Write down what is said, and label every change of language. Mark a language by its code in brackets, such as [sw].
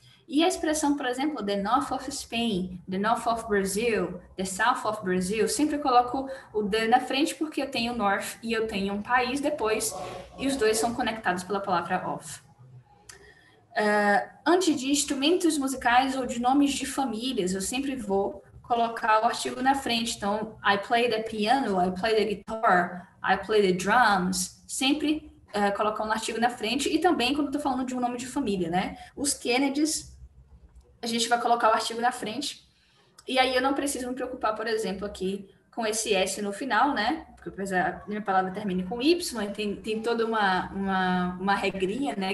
[pt] E a expressão, por exemplo, [en] the north of Spain, the north of Brazil, [pt] the south of Brazil, sempre coloco o the na frente porque eu tenho north e eu tenho um país depois, e os dois são conectados pela palavra of. Antes de instrumentos musicais ou de nomes de famílias, eu sempre vou colocar o artigo na frente. [en] Então, I play the piano, I play the guitar, I play the drums. [pt] Sempre colocar um artigo na frente. E também quando estou falando de um nome de família, né? Os Kennedys, a gente vai colocar o artigo na frente. E aí eu não preciso me preocupar, por exemplo, aqui com esse S no final, né? Porque a minha palavra termina com Y, tem toda uma regrinha, né?